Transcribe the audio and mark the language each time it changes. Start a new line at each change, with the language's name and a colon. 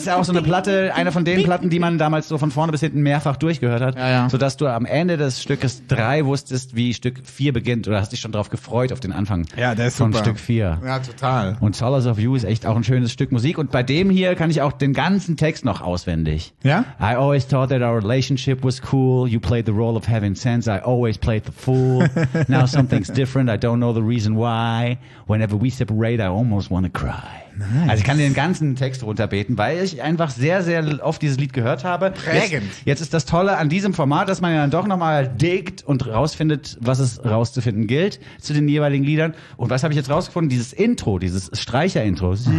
German: ist ja auch so eine Platte, eine von den Platten, die man damals so von vorne bis hinten mehrfach durchgehört hat, sodass du am Ende des Stückes 3 wusstest, wie Stück 4 beginnt oder hast dich schon drauf gefreut auf den Anfang von Stück 4. Ja, total. Und Solace of You ist echt auch ein schönes Stück Musik und bei dem hier kann ich auch den ganzen Text noch auswendig. Ja?
English: I always thought that our relationship was cool, you played the role of heaven sent, I always played the fool, now something's different, I don't know the reason why, whenever we separate, I almost want to cry. Nice.
German: Also ich kann den ganzen Text runterbeten, weil ich einfach sehr, sehr oft dieses Lied gehört habe. Prägend. Jetzt ist das Tolle an diesem Format, dass man ja dann doch nochmal diggt und rausfindet, was es rauszufinden gilt zu den jeweiligen Liedern. Und was habe ich jetzt rausgefunden? Dieses Intro, dieses Streicher-Intro.